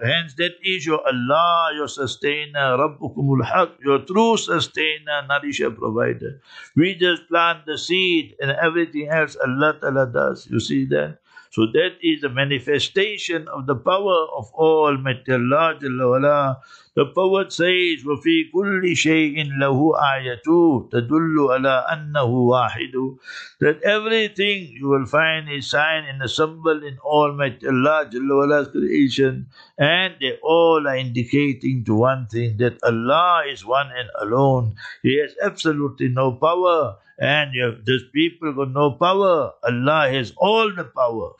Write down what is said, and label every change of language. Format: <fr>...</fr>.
<en>Hence that is your Allah, your sustainer,</en> <ar>رَبُّكُمُ الْحَقِّ,</ar> <en>your true sustainer, nourisher, provider. We just plant the seed and everything else Allah Ta'ala does. You see that? So that is the manifestation of the power of Almighty Allah Jalla Wala. The poet says,</en> <ar>وَفِي كُلِّ شَيْءٍ لَهُ آيَةٌ تَدُلُّ عَلَىٰ أَنَّهُ وَاحِدٌ.</ar> <en>That everything you will find a sign and a symbol in Almighty Allah Jalla Wala's creation. And they all are indicating to one thing, that Allah is one and alone. He has absolutely no power And these people got no power. Allah has all the power.</en>